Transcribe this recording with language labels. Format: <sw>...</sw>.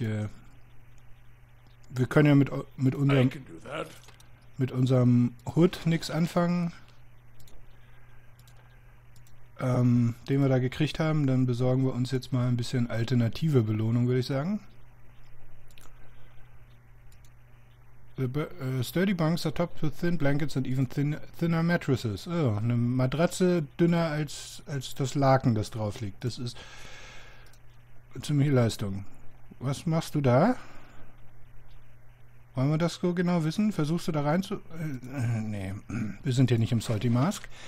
<de>Wir können ja mit unserem Hood nichts anfangen. Den wir da gekriegt haben, dann besorgen wir uns jetzt mal ein bisschen alternative Belohnung, würde ich sagen.</de> <en>Sturdy bunks are topped with thin blankets and even thinner mattresses.</en> <de>Oh, eine Matratze dünner als das Laken, das drauf liegt. Das ist. Ziemliche Leistung. Was machst du da? Wollen wir das so genau wissen? Versuchst du da rein zu... nee, wir sind hier nicht im Salty Mask.</de>